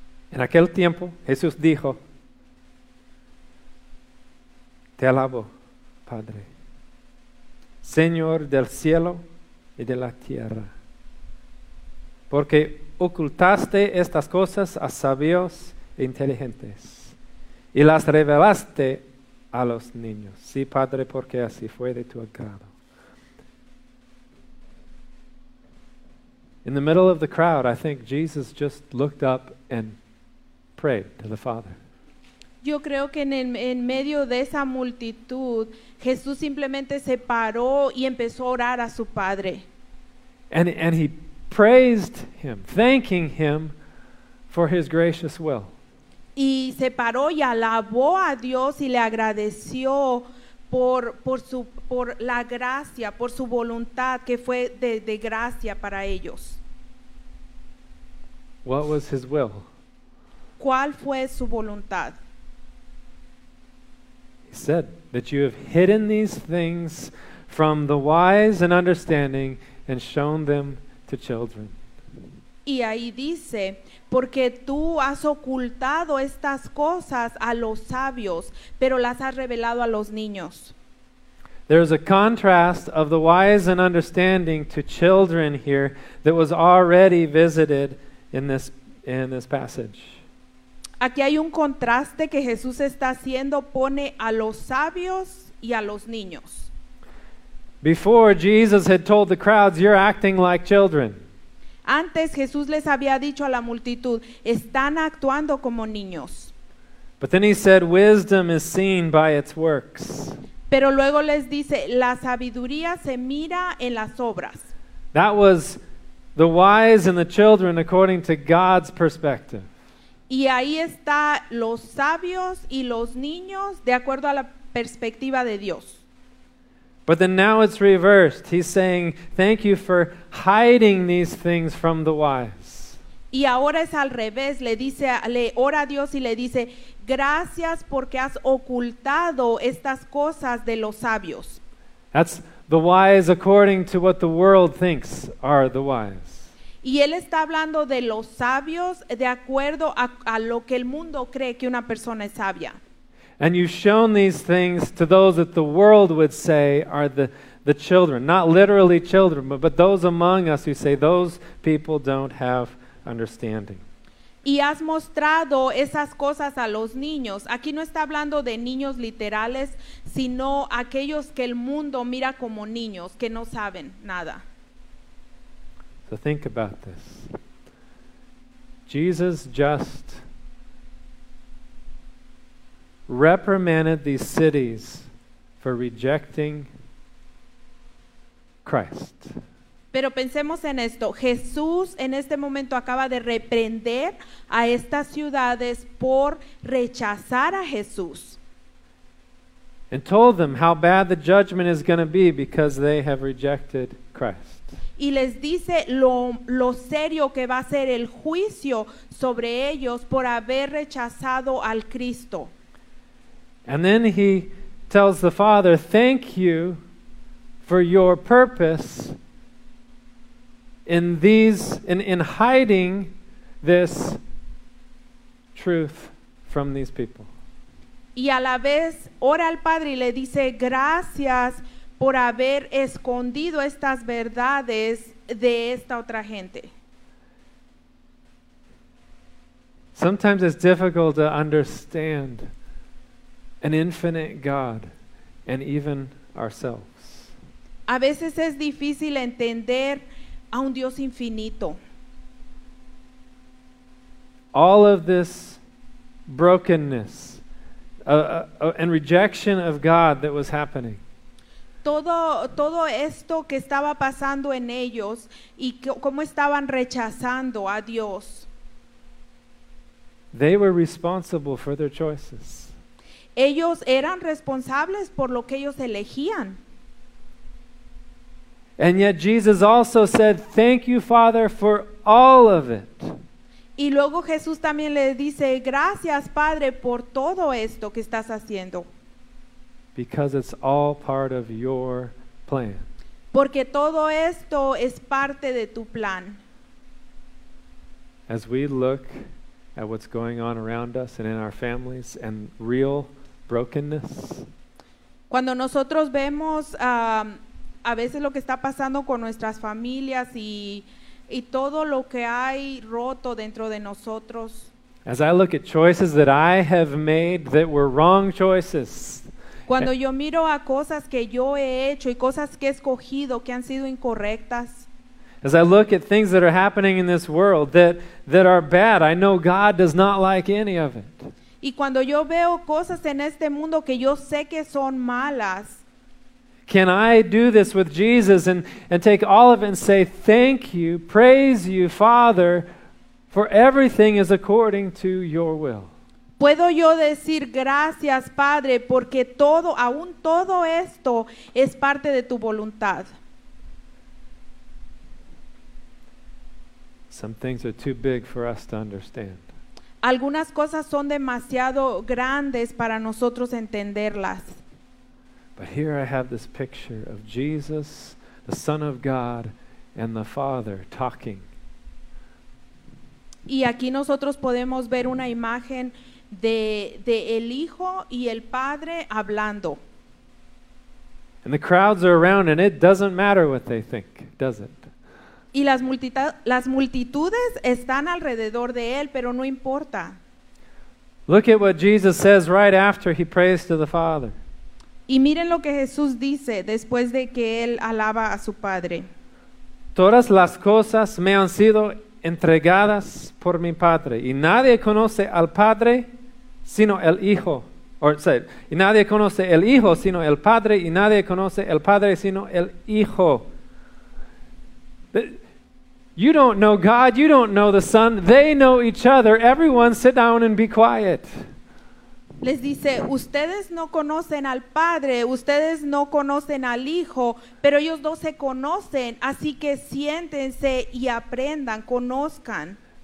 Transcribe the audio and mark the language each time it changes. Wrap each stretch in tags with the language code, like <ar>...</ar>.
<es>En aquel tiempo Jesús dijo, te alabo, Padre, Señor del cielo y de la tierra, porque ocultaste estas cosas a sabios e inteligentes y las revelaste a los niños. Sí, Padre, porque así fue de tu agrado.</es> <en>In the middle of the crowd, I think Jesus just looked up and prayed to the Father.</en> <es>Yo creo que en medio de esa multitud, Jesús simplemente se paró y empezó a orar a su Padre.</es> <en>And he praised him, thanking him for his gracious will.</en> <es>Y se paró y alabó a Dios y le agradeció por la gracia, por su voluntad que fue de gracia para ellos.</es> <en>What was his will?</en> <es>¿Cuál fue su voluntad?</es> <en>He said that you have hidden these things from the wise and understanding and shown them to children.</en> <es>Y ahí dice, porque tú has ocultado estas cosas a los sabios, pero las has revelado a los niños.</es> <en>There is a contrast of the wise and understanding to children here that was already visited in this passage.</en> <es>Aquí hay un contraste que Jesús está haciendo, pone a los sabios y a los niños.</es> <en>Before, Jesus had told the crowds, "You're acting like children."</en> <es>Antes Jesús les había dicho a la multitud, están actuando como niños.</es> <en>But then he said, wisdom is seen by its works.</en> <es>Pero luego les dice, la sabiduría se mira en las obras.</es> <en>That was the wise and the children according to God's perspective.</en> <es>Y ahí está los sabios y los niños de acuerdo a la perspectiva de Dios.</es> <en>But then now it's reversed. He's saying, thank you for hiding these things from the wise.</en> <es>Y ahora es al revés. Le ora a Dios y le dice, gracias porque has ocultado estas cosas de los sabios.</es> <en>That's the wise according to what the world thinks are the wise.</en> <es>Y él está hablando de los sabios de acuerdo a lo que el mundo cree que una persona es sabia.</es> <en>And you've shown these things to those that the world would say are the children. Not literally children, but those among us who say those people don't have understanding.</en> <es>Y has mostrado esas cosas a los niños. Aquí no está hablando de niños literales, sino aquellos que el mundo mira como niños, que no saben nada.</es> <en>So think about this. Jesus just reprimanded these cities for rejecting Christ.</en> <es>Pero pensemos en esto. Jesús en este momento acaba de reprender a estas ciudades por rechazar a Jesús.</es> <en>And told them how bad the judgment is going to be because they have rejected Christ.</en> <es>Y les dice lo serio que va a ser el juicio sobre ellos por haber rechazado al Cristo.</es> <en>And then he tells the Father, thank you for your purpose in hiding this truth from these people.</en> <es>Y a la vez ora al Padre y le dice, gracias por haber escondido estas verdades de esta otra gente.</es> <en>Sometimes it's difficult to understand an infinite God, and even ourselves.</en> <es>A veces es difícil entender a un Dios infinito.</es> <en>All of this brokenness and rejection of God that was happening.</en> <es>Todo esto que estaba pasando en ellos y cómo estaban rechazando a Dios.</es> <en>They were responsible for their choices.</en> <es>Ellos eran responsables por lo que ellos elegían.</es> <en>And yet Jesus also said, thank you, Father, for all of it.</en> <es>Y luego Jesús también le dice, gracias, Padre, por todo esto que estás haciendo.</es> <en>Because it's all part of your plan.</en> <es>Porque todo esto es parte de tu plan.</es> <en>As we look at what's going on around us and in our families and real brokenness.</en> <es>Cuando nosotros vemos a veces lo que está pasando con nuestras familias y todo lo que hay roto dentro de nosotros.</es> <en>As I look at choices that I have made that were wrong choices.</en> <es>Cuando yo miro a cosas que yo he hecho y cosas que he escogido que han sido incorrectas.</es> <en>As I look at things that are happening in this world that are bad, I know God does not like any of it.</en> <es>Y cuando yo veo cosas en este mundo que yo sé que son malas.</es> <en>Can I do this with Jesus and take all of it and say thank you, praise you, Father, for everything is according to your will?</en> <es>¿Puedo yo decir gracias, Padre, porque todo, aún todo esto es parte de tu voluntad?</es> <en>Some things are too big for us to understand.</en> <es>Algunas cosas son demasiado grandes para nosotros entenderlas.</es> <en>But here I have this picture of Jesus, the Son of God, and the Father talking.</en> <es>Y aquí nosotros podemos ver una imagen de el Hijo y el Padre hablando.</es> <en>And the crowds are around, and it doesn't matter what they think, does it?</en> <es>Y las multitudes están alrededor de él, pero no importa.</es> <en>Look at what Jesus says right after he prays to the Father.</en> <es>Y miren lo que Jesús dice después de que él alaba a su Padre. Todas las cosas me han sido entregadas por mi Padre, y nadie conoce al Padre sino el Hijo. Y nadie conoce el Hijo sino el Padre, y nadie conoce el Padre sino el Hijo.</es> <en>You don't know God, you don't know the Son, they know each other. Everyone sit down and be quiet.</en> <es>Les dice, ustedes no conocen al Padre, ustedes no conocen al Hijo, pero ellos dos se conocen, así que siéntense y aprendan, conozcan.</es>